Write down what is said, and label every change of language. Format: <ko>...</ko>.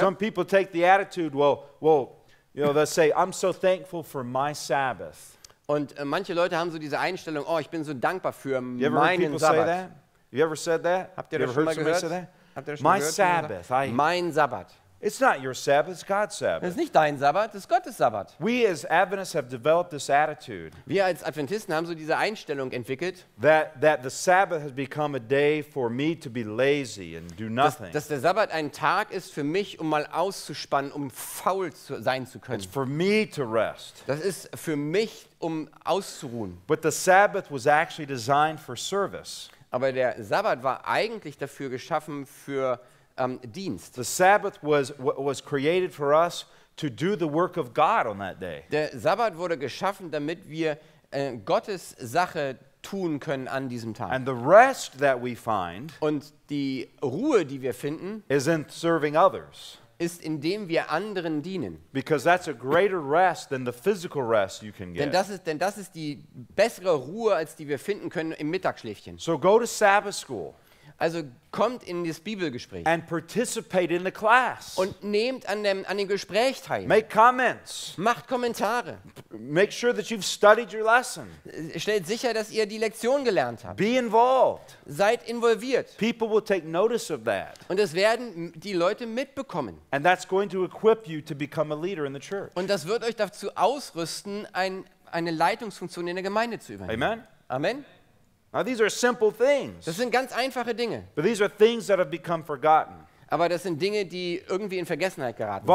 <en>Some people take the attitude, well, you know, they say, I'm so thankful for my Sabbath.</en> <de>Und manche Leute haben so diese Einstellung, oh, ich bin so dankbar für meinen Sabbat.</de> <en>You ever said that?</en> <de>Habt ihr das schon mal gehört?</de> <en>My Sabbath.</en> <de>Mein Sabbat.</de> <en>It's not your Sabbath, it's God's Sabbath.</en> <de>Es ist nicht dein Sabbat, es ist Gottes Sabbat.</de> <en>We as Adventists have developed this attitude.</en> <de>Wir als Adventisten haben so diese Einstellung entwickelt.</de> <en>That the Sabbath has become a day for me to be lazy and do nothing.</en> <de>Dass der Sabbat ein Tag ist für mich, um mal auszuspannen, um faul sein zu können.</de> <en>It's for me to rest.</en> <de>Das ist für mich, um auszuruhen.</de> <en>But the Sabbath was actually designed for service.</en> <de>Aber der Sabbat war eigentlich dafür geschaffen für Dienst.</de> <en>The Sabbath was created for us to do the work of God on that day.</en> <de>Der Sabbat wurde geschaffen, damit wir Gottes Sache tun können an diesem Tag.</de> <en>And the rest that we find,</en> <de>und die Ruhe, die wir finden,</de> <en>is in serving others.</en> <de>Ist indem wir anderen dienen.</de> <en>Because that's a greater rest than the physical rest you can get.</en> <de>Denn das ist die bessere Ruhe, als die wir finden können im Mittagsschläfchen.</de> <en>So go to Sabbath school.</en> <de>Also kommt in das Bibelgespräch.</de> <en>And participate in the class.</en> <de>Und nehmt an dem Gespräch teil.</de> <en>Make comments.</en> <de>Macht Kommentare.</de> <en>Make sure that you've studied your lesson.</en> <de>Stellt sicher, dass ihr die Lektion gelernt habt.</de> <en>Be involved.</en> <de>Seid involviert.</de> <en>People will take notice of that.</en> <de>Und das werden die Leute mitbekommen.</de> <en>And that's going to equip you to become a leader in the church.</en> <de>Und das wird euch dazu ausrüsten, eine Leitungsfunktion in der Gemeinde zu übernehmen.</de> <en>Amen.</en> <de>Amen.</de> <en>Now these are simple things.</en> <de>Das sind ganz einfache Dinge.</de> <en>But these are things that have become forgotten.</en> <de>Aber das sind Dinge, die irgendwie in Vergessenheit geraten</de>